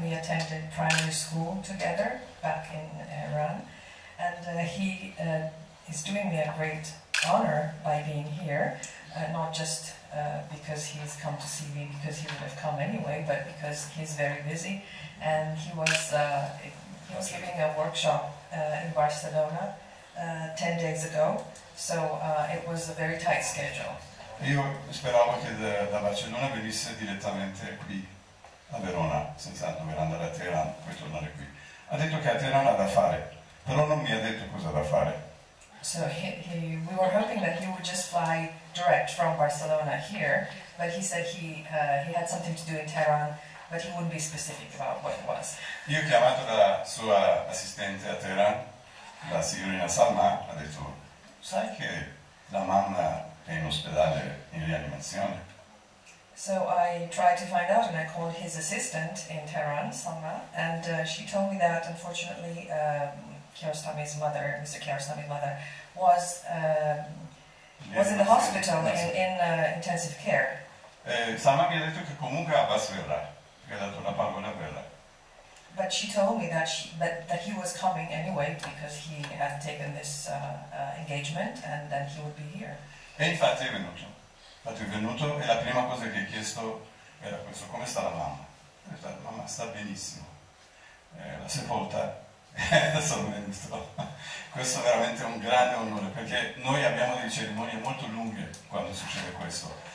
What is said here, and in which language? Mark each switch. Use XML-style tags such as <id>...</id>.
<en>We attended primary school together back in Iran, and he is doing me a great honor by being here, not just because he's come to see me, because he would have come anyway, but because he's very busy, and he was giving a workshop in Barcelona 10 days ago, so it was a very tight schedule.</en> <it>Io speravo che da Barcellona venisse direttamente qui, a Verona, senza dover andare a Teheran, poi tornare qui. Ha detto che a Teheran ha da fare, però non mi ha detto cosa da fare.</it> <en>So we were hoping that he would just fly direct from Barcelona here, but he said he had something to do in Teheran, but he wouldn't be specific about what it was.</en> <it>Io ho chiamato la sua assistente a Teheran, la signorina Salma, ha detto, sai che la mamma è in ospedale in rianimazione.</it> <en>So I tried to find out and I called his assistant in Tehran, Salma, and she told me that unfortunately Kiarostami's mother, Mr. Kiarostami's mother, was in the hospital in intensive care.</en> <it>Salma mi ha detto che comunque Abbas verrà, che ha dato una parola verrà.</it> <en>But she told me that he was coming anyway because he had taken this engagement and that he would be here.</en> <it>E infatti è venuto. Infatti è venuto e la prima cosa che ha chiesto era questo, come sta la mamma? Ha detto, la mamma sta benissimo. La sepolta e adesso è venuto. Questo è veramente un grande onore, perché noi abbiamo delle cerimonie molto lunghe quando succede questo.</it>